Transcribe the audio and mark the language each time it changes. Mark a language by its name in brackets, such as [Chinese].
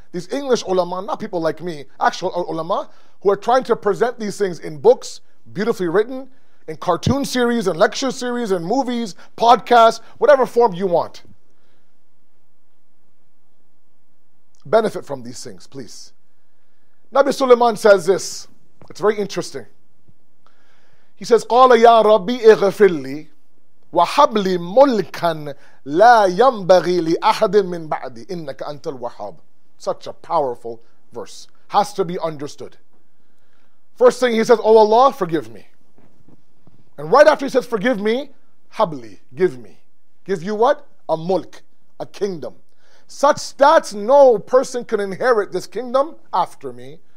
[English] These English ulama, not people like me, actual ulama, who are trying to present these things in books, beautifully written, in cartoon series, and lecture series, and movies, podcasts, whatever form you want. Benefit from these things, please. Nabi Sulaiman says this. It's very interesting. He says, [Arabic] قَالَ يَا رَبِّ اِغْفِرْلِي وَحَبْلِ مُلْكًا لَا يَنْبَغِي لِأَحَدٍ مِّن بَعْدِ إِنَّكَ أَنْتَ الْوَحَابِ. [English] Such a powerful verse. Has to be understood. First thing he says, oh Allah, forgive me. And right after he says, forgive me, habli, give me. Give you what? A mulk, a kingdom. Such that no person can inherit this kingdom after me.